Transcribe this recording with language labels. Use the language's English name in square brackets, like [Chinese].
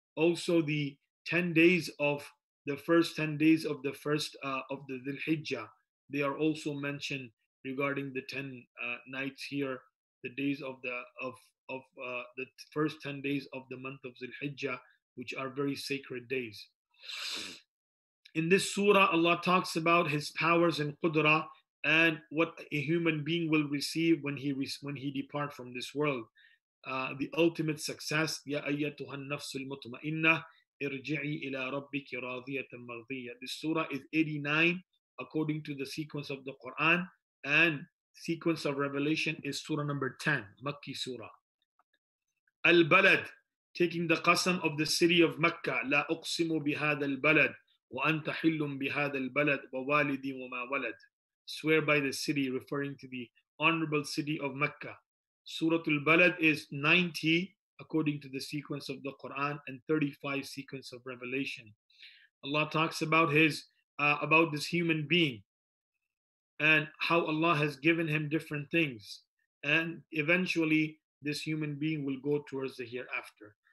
[English] Also, the 10 days of the first 10 days of the first of the Dhul-Hijjah, they are also mentioned regarding the 10 nights here, the days of the the first 10 days of the month of Dhul-Hijjah, which are very sacred days. In this surah, Allah talks about his powers and qudra, and what a human being will receive when he depart from this world. The ultimate success, [Arabic] يَا أَيَّتُهَا النَّفْسُ الْمُطْمَئِنَّةِ اِرْجِعِي إِلَىٰ رَبِّكِ رَاضِيَةً مَرْضِيَةً. [English] This surah is 89, according to the sequence of the Quran, and sequence of revelation is surah number 10, Makki surah. Al-Balad, taking the qasam of the city of Mecca, [Arabic] لَا أُقْسِمُ بِهَذَا الْبَلَدِ وَأَنْتَ حِلٌّ بِهَذَا الْبَلَدِ وَوَالِدِي وَمَا وَلَدِ. [English] Swear by the city, referring to the honorable city of Mecca. Surah Al-Balad is 90 according to the sequence of the Quran and 35 sequence of revelation. Allah talks about about this human being and how Allah has given him different things, and eventually this human being will go towards the hereafter.